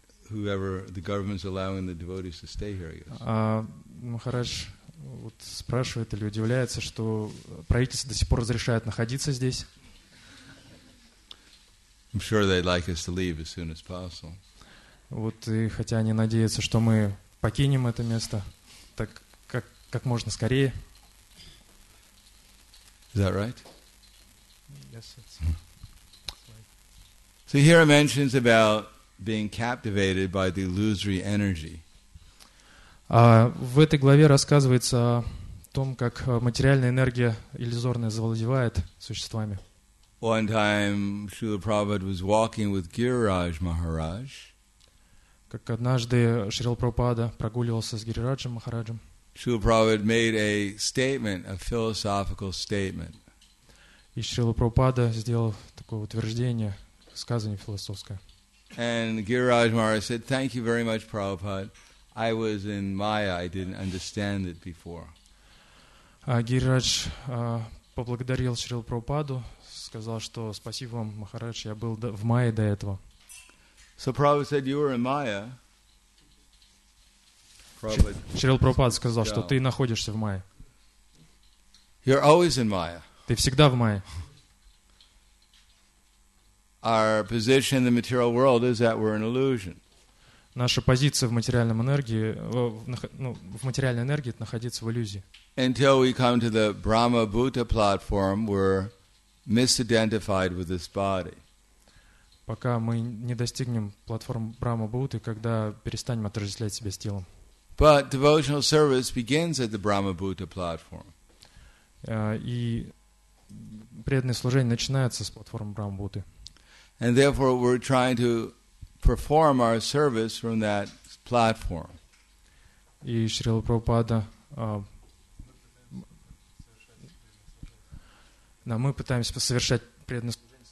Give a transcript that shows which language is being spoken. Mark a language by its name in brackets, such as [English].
[English] Whoever the government's allowing the devotees to stay here, I guess. [Russian] Махарадж вот спрашивает или удивляется, что правительство до сих пор разрешает находиться здесь. [English] I'm sure they'd like us to leave as soon as possible. [Russian] Вот и хотя они надеются, что мы покинем это место, так как можно скорее. [English] Is that right? Yes, it's. So here it mentions about being captivated by the illusory energy. [Russian] В этой главе рассказывается о том, как материальная энергия иллюзорная завладевает существами. [English] One time Srila Prabhupada was walking with Giriraj Maharaj. [Russian] Как однажды Шрила Прабхупада прогуливался с Гирираджем Махараджем. [English] Srila Prabhupada made a statement, a philosophical statement. [Russian] И Шрила Прабхупада сделал такое утверждение, сказание философское. [English] And Giriraj Maharaj said, "Thank you very much, Prabhupada. I was in Maya. I didn't understand it before." [Russian] Гирирадж поблагодарил Шрила Прабхупаду. Сказал, что спасибо вам, Махарадж, я был в Майе до этого. [English] So Prabhupada said you were in Maya. [Russian] Шрила Прабхупада сказал, что ты находишься в Майе. [English] You're always in Maya. [Russian] Ты всегда в Майе. [English] Our position in the material world is that we're an illusion. [Russian] Наша позиция в материальном энергии, в материальной энергии, это находиться в иллюзии. [English] Until we come to the Brahma-Buddha platform, we're misidentified with this body. [Russian] Пока мы не достигнем платформы Брахма-Будды, когда перестанем отождествлять себя с телом. [English] But devotional service begins at the Brahma-Buddha platform. [Russian] И преданное служение начинается с платформы Брахма-Будды. [English] And therefore we're trying to perform our service from that platform. [Russian] И Шрила Прабхупада Но мы пытаемся совершать преданное служение.